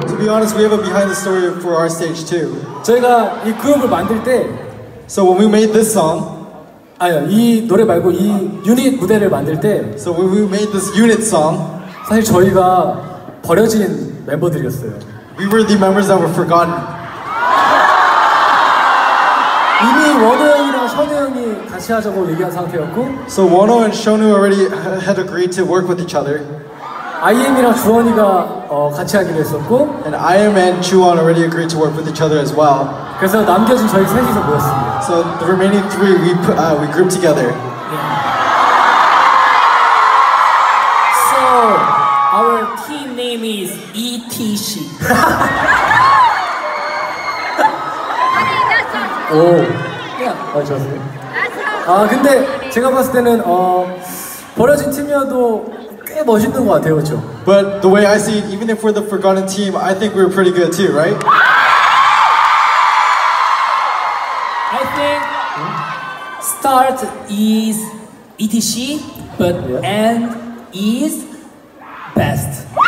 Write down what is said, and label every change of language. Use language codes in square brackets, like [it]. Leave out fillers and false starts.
[en] We have a behind the story for our stage too. [ko] 저희가 이 그룹을 만들 때, [en] so when we made this song, [ko] 아니 이 노래 말고 이 유닛 무대를 만들 때, [en] so when we made this unit song, [ko] 사실 저희가 버려진 멤버들이었어요. [en] We were the members that were forgotten. [ko] 이미 원호 형이랑 선우 형이 같이 하자고 얘기한 상태였고, [en] so Wono and Shonu already had agreed to work with each other. [ko] IM이랑 주원이가 같이 하기로 했었고 [en] And IM and Chuan already agreed to work with each other as well [ko] 그래서 남겨진 저희 셋이서 모였습니다 [en] So the remaining three we grouped together yeah. So our team name is ETC Honey, that's awesome Oh [ko] Yeah 아, 좋았어요. 아, 근데 제가 봤을 때는 버려진 팀이어도 꽤 멋있는 것 같아요, 그렇죠? [en] But the way I see it, even if we're the forgotten team, I think we're pretty good too, right? I think start is ETC, but end is best.